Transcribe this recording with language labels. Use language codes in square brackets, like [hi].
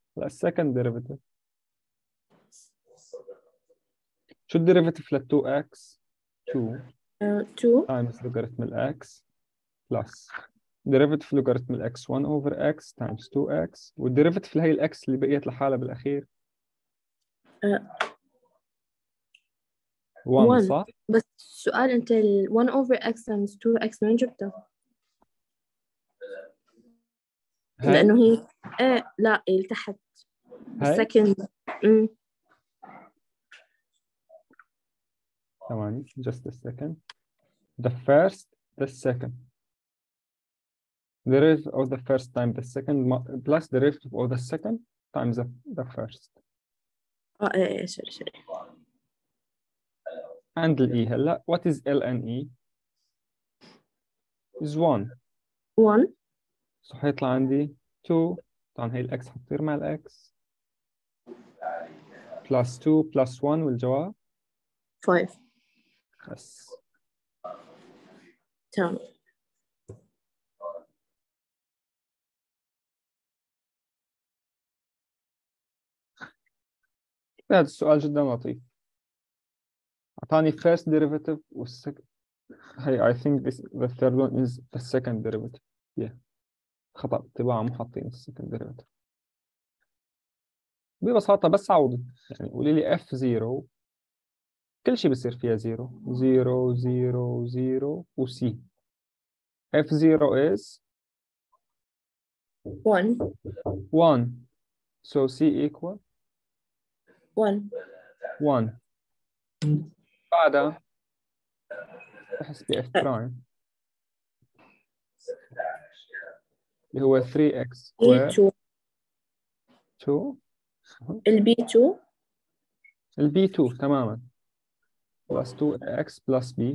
[ar] هلا السكند ديريفيتيف، شو الديريفيتيف لل 2 اكس؟ 2 تايمز لوغاريتم الاكس بلس ديريفيتيف لوغاريتم الاكس 1 اوفر اكس تايمز 2 اكس، والديريفيتيف لهي الاكس اللي بقيت لحالها بالاخير 1 صح؟ بس السؤال انت ال 1 اوفر اكس تايمز 2 اكس وين جبته؟ هاي؟ لانه هي ايه لا هي لتحت السكند. ثواني [en] just a second. The first, the second. Derivative of the first time the second plus derivative of the second times the first. Sorry. And the E هلا. What is ln E? Is one. One. [ar] So هيطلع عندي two. طبعا هي الاكس حتصير مع الاكس. [en] Plus two plus one والجواب؟ Five. خس [ar] تمام. هذا السؤال جدا لطيف، اعطاني first derivative والsecond. [en] هي I think this the third one is the second derivative. [ar] yeah خطأ طباعة، مو حاطين second derivative. ببساطة بس عوضي، يعني قولي لي f zero كل شيء بصير فيها 0 0 0 0 و c. [en] f0 is 1 1 so c equal 1 [ar] 1 بعدها احسب f prime اللي هو 3x [en] square 2 ال b2 تماما plus 2x plus b.